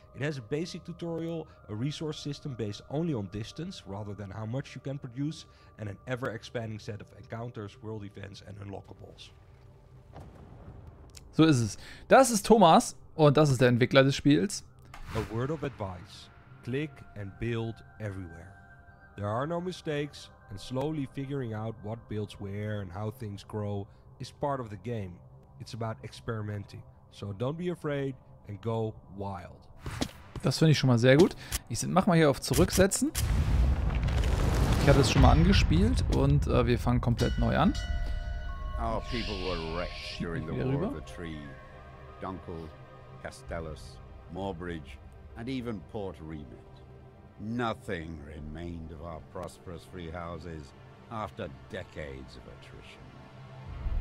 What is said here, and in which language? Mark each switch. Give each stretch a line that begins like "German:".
English: It has a basic tutorial, a resource system based only on distance rather than how much you can produce, and an ever-expanding set of encounters, world events and unlockables.
German: So ist es. Das ist Thomas und das ist der Entwickler des Spiels.
English: A word of advice: click and build everywhere. There are no mistakes, and slowly figuring out what builds where and how things grow is part of the game. It's about experimenting. So don't be afraid and go wild.
German: Das finde ich schon mal sehr gut. Mach mal hier auf Zurücksetzen. Ich hatte es schon mal angespielt und wir fangen komplett neu an.
English: Our people were wrecked during the War of the Tree. Dunkel, Castellus, Moorbridge and even Port Remit. Nothing remained of our prosperous free houses after decades of attrition.